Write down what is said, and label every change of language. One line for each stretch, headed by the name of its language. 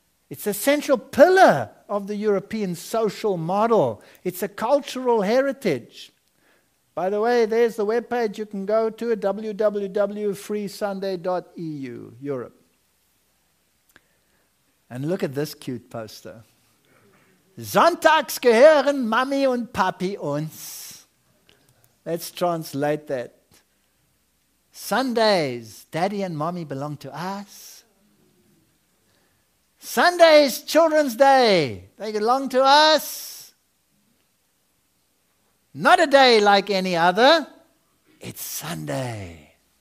English: It's a central pillar of the European social model. It's a cultural heritage. By the way, there's the webpage you can go to, www.freesunday.eu, Europe. And look at this cute poster.
German: Sonntags gehören Mami und Papi uns.
English: Let's translate that. Sundays, Daddy and Mommy belong to us. Sundays, Children's Day, they belong to us. Not a day like any other. It's Sunday.